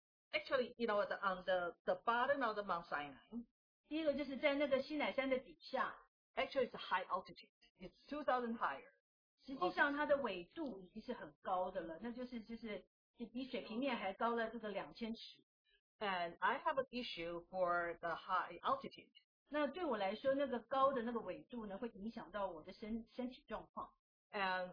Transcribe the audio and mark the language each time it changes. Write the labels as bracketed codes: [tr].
[en] Actually, you know, on the bottom of the Mount Sinai. [zh] 第一个就是在那个西乃山的底下。 [en] Actually, it's a high altitude. It's 2,000 higher. [zh] 实际上它的纬度已经是很高的了，那就是就是。比水平面还高了这个2000尺。 [en] And I have an issue for the high altitude. [zh] 那对我来说，那个高的那个纬度呢，会影响到我的身体状况。 [en] And